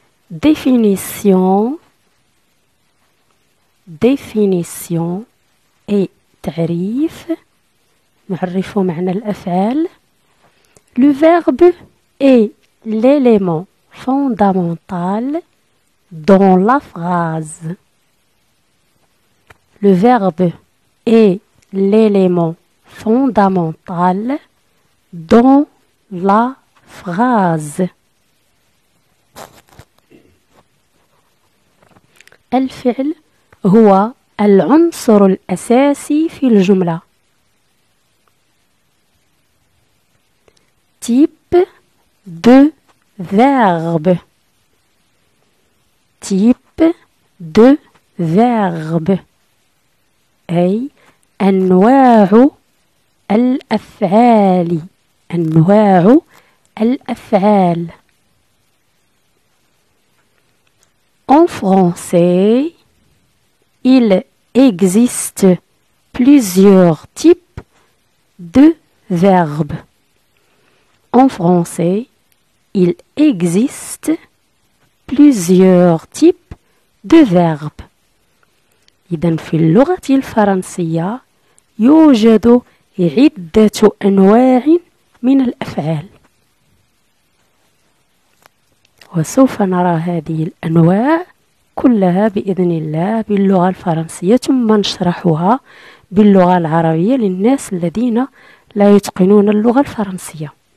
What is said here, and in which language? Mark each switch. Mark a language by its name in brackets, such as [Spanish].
[Arabic] ديفينيسيون، ديفينيسيون، اي تعريف، نعرفو معنى الأفعال. [French] لو فيرب اي ليليمون فوندامونتال دون لا فغاز. Le verbe est l'élément fondamental dans la phrase. [Arabic] الفعل هو العنصر الأساسي في الجملة. [French] Type de verbe. Type de verbe. [Arabic] أي أنواع الأفعال، أنواع الأفعال. [French] En français, il existe plusieurs types de verbes. En français, il existe plusieurs types de verbes. [Arabic] إذن في اللغة الفرنسية يوجد عدة أنواع من الأفعال، وسوف نرى هذه الأنواع كلها بإذن الله باللغة الفرنسية، ثم نشرحها باللغة العربية للناس الذين لا يتقنون اللغة الفرنسية.